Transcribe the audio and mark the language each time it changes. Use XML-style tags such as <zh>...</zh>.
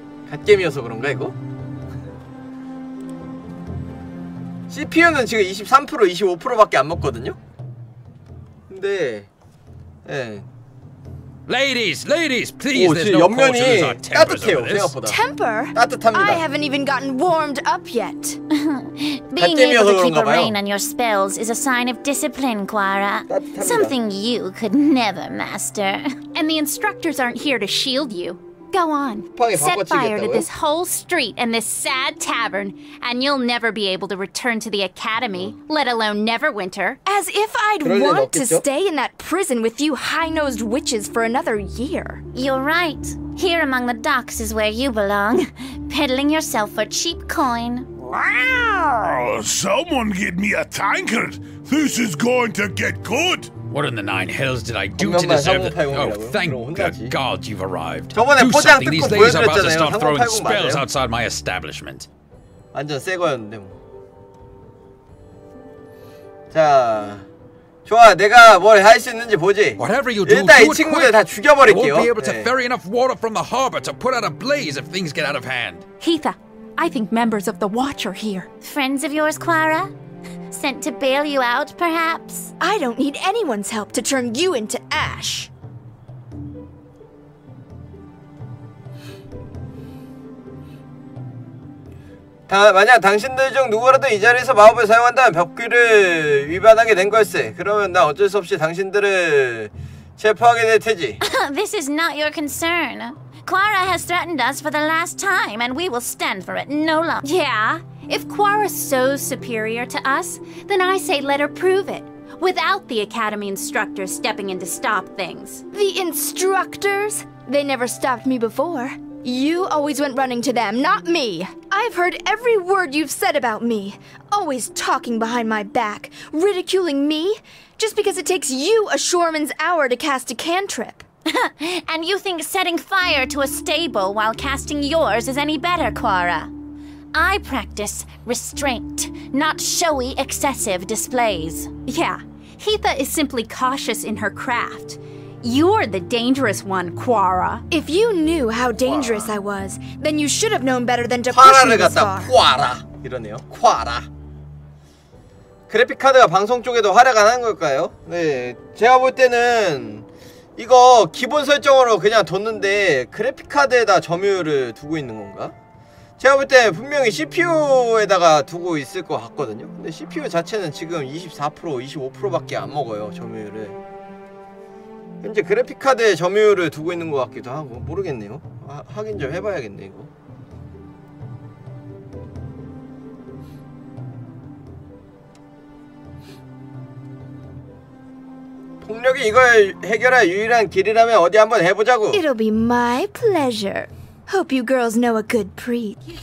<ko>갓겜이어서 그런가 이거? CPU는 지금 23% 25%밖에 안 먹거든요. 근데 예. 네.</ko> <en>Ladies, ladies, please.</en> <ko>오, 지금 옆면이 따뜻해요, 생각보다.</ko> <en>Temper.</en> <ko>따뜻합니다.</ko> <en>I haven't even gotten warmed up yet. Being able to keep a rein on your spells is a sign of discipline, Quara. Something you could never master. And the instructors aren't here to shield you. Go on. Set fire to this whole street and this sad tavern, and you'll never be able to return to the academy, let alone Neverwinter. As if I'd want to stay in that prison with you high-nosed witches for another year. You're right. Here among the docks is where you belong, peddling yourself for cheap coin. Wow! Someone get me a tankard. This is going to get good. What in the nine hells did I do to deserve that? Oh, thank the gods you've arrived. Do something. These ladies are about to start throwing spells</en> <ko>맞아요?</ko> <en>outside my establishment.</en> <ko>완전 새 거였는데 뭐. 자, 좋아. 내가 뭘 할 수 있는지 보지.</ko> <en>Whatever you do,</en> <ko>일단 이 친구들 다 죽여버릴게요.</ko> <en>We'll be able to ferry enough water from the harbor to put out a blaze if things get out of hand. Heatha, I think members of the Watch are here. Friends of yours, Quara? Sent to bail you out, perhaps? I don't need anyone's help to turn you into ash.</en> <ko>만약 당신들 중 누구라도 이 자리에서 마법을 사용한다면 벽규를 위반하게 된 걸세. 그러면 나 어쩔 수 없이 당신들을 체포하게 될 테지.</ko> <en>This is not your concern. Quara has threatened us for the last time, and we will stand for it no longer. Yeah? If Quara's so superior to us, then I say let her prove it, without the Academy instructors stepping in to stop things. The instructors? They never stopped me before. You always went running to them, not me. I've heard every word you've said about me, always talking behind my back, ridiculing me, just because it takes you a shoreman's hour to cast a cantrip. And you think setting fire to a stable while casting yours is any better, Quara? I practice restraint, not showy, excessive displays. Yeah, Heatha is simply cautious in her craft. You're the dangerous one, Quara. If you knew how dangerous Quara. I was, then you should have known better than to push me this far.</en> <ko>화라를 갖다 Quara 이러네요.</ko> <en>Quara.</en> <ko>그래픽 카드가 방송 쪽에도 활약 안 한 걸까요? 네, 제가 볼 때는 이거 기본 설정으로 그냥 뒀는데 그래픽 카드에다 점유율을 두고 있는 건가? 제가 볼 때 분명히 CPU에다가 두고 있을 것 같거든요. 근데 CPU 자체는 지금 24%, 25%밖에 안 먹어요, 점유율을. 현재 그래픽 카드에 점유율을 두고 있는 것 같기도 하고 모르겠네요. 확인 좀 해봐야겠네 이거. 폭력이 이걸 해결할 유일한 길이라면 어디 한번 해보자고.</ko> <en>It'll be my pleasure. Hope you girls know a good preach.</en>